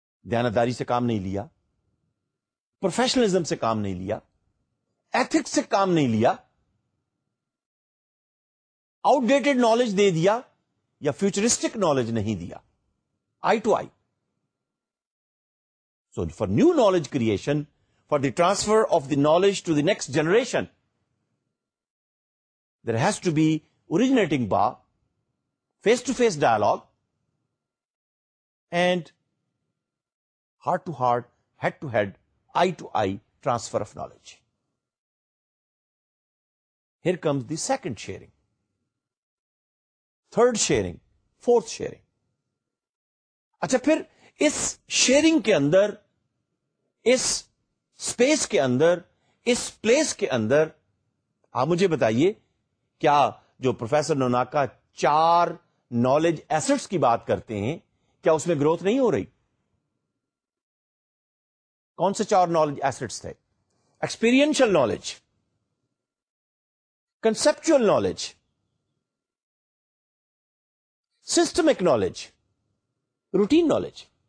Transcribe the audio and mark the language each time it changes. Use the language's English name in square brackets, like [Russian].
[Urdu] دیانتداری سے کام نہیں لیا, پروفیشنلزم سے کام نہیں لیا, ایتھکس سے کام نہیں لیا, آؤٹ ڈیٹڈ نالج دے دیا یا فیوچرسٹک نالج نہیں دیا. [English] Eye to eye. So for new knowledge creation, for the transfer of the knowledge to the next generation, there has to be originating ba, face-to-face dialogue, and heart-to-heart, head-to-head, eye-to-eye transfer of knowledge. Here comes the second sharing, third sharing, fourth sharing. [Urdu] اچھا پھر اس sharing کے اندر, اس space کے اندر, اس place کے اندر آپ مجھے بتائیے, کیا جو پروفیسر نوناکا چار نالج ایسٹس کی بات کرتے ہیں, کیا اس میں گروتھ نہیں ہو رہی؟ کون سے چار نالج ایسٹس تھے؟ Experiential knowledge, کنسپچوئل knowledge, systemic knowledge, routine knowledge.